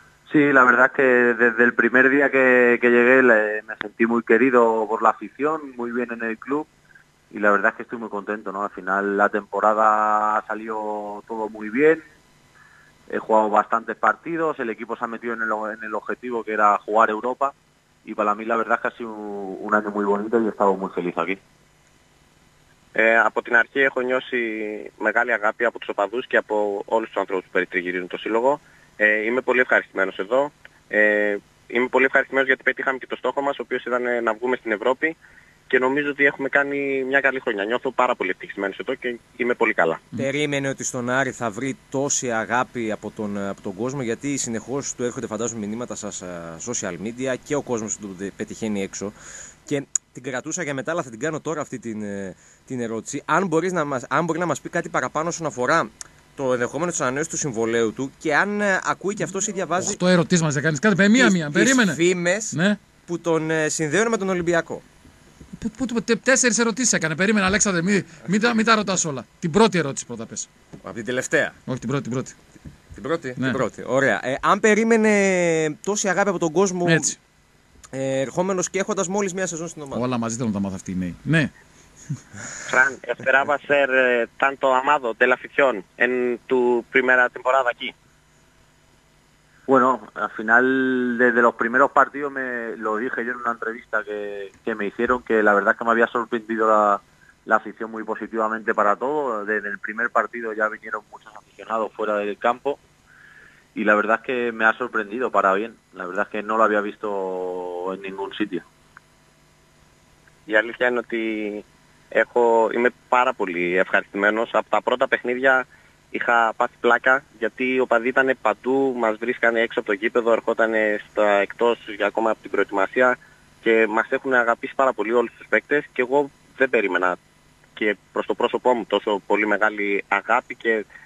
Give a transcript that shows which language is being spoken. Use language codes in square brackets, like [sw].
[es] Sí, la verdad es que desde el primer día que llegué me sentí muy querido por la afición, muy bien en el club y la verdad es que estoy muy contento, ¿no? Al final la temporada ha salido todo muy bien. He jugado bastantes partidos, el equipo se ha metido en el objetivo que era jugar Europa y para mí la verdad es que ha sido un año muy bonito y he estado muy feliz aquí. [el] Από την αρχή έχω νιώσει μεγάλη αγάπη από τους οπαδούς και από όλους τους ανθρώπους που περιτριγυρίζουν το σύλλογο. Είμαι πολύ ευχαριστημένος εδώ. Είμαι πολύ ευχαριστημένος γιατί πετύχαμε και το στόχο μας, ο οποίος ήταν να βγούμε στην Ευρώπη και νομίζω ότι έχουμε κάνει μια καλή χρονιά. Νιώθω πάρα πολύ ευτυχισμένος εδώ και είμαι πολύ καλά. Περίμενε ότι στον Άρη θα βρει τόση αγάπη από τον κόσμο, γιατί συνεχώς του έρχονται φαντάζομαι μηνύματα στα social media και ο κόσμος του πετυχαίνει έξω. Και την κρατούσα για μετά, αλλά θα την κάνω τώρα αυτή την ερώτηση. Αν μπορεί να μας πει κάτι παραπάνω όσον αφορά το ενδεχόμενο της ανανέωσης του συμβολαίου του και αν ακούει και αυτός ή διαβάζει. Αυτό ερωτήμα δεν κάνει κάτι. Μία-μία. Περίμενε. Φήμες, ναι, που τον συνδέουν με τον Ολυμπιακό. Τέσσερις ερωτήσεις έκανε. Περίμενε, Αλέξανδρε, μην τα ρωτάς όλα. Την πρώτη ερώτηση πρώτα πες. Από την τελευταία. Όχι, την πρώτη. Την πρώτη. Την πρώτη. Ναι. Την πρώτη. Ωραία. Αν περίμενε τόση αγάπη από τον κόσμο. Έτσι. Ερχόμενος και έχοντας μόλις μία σεζόν στην ομάδα. Όλα μαζί θέλουν να τα μάθουν αυτοί οι νέοι. Ναι. [es] Φραν, esperaba ser tanto amado de la afición en tu primera temporada aquí. Bueno, al final desde los primeros partidos me lo dije yo en una entrevista que me hicieron que la verdad es que me había sorprendido la afición muy positivamente para todo. Desde el primer partido ya vinieron muchos aficionados fuera del campo y la verdad es que me ha sorprendido para bien. La verdad es que no lo había visto en ningún sitio. Y Alicia, ¿no te [el] Είμαι πάρα πολύ ευχαριστημένος. Από τα πρώτα παιχνίδια είχα πάθει πλάκα γιατί ο παδί ήταν παντού, μας βρίσκανε έξω από το γήπεδο, ερχόταν στα εκτός για ακόμα από την προετοιμασία και μας έχουν αγαπήσει πάρα πολύ όλους τους παίκτες και εγώ δεν περίμενα και προς το πρόσωπό μου τόσο πολύ μεγάλη αγάπη και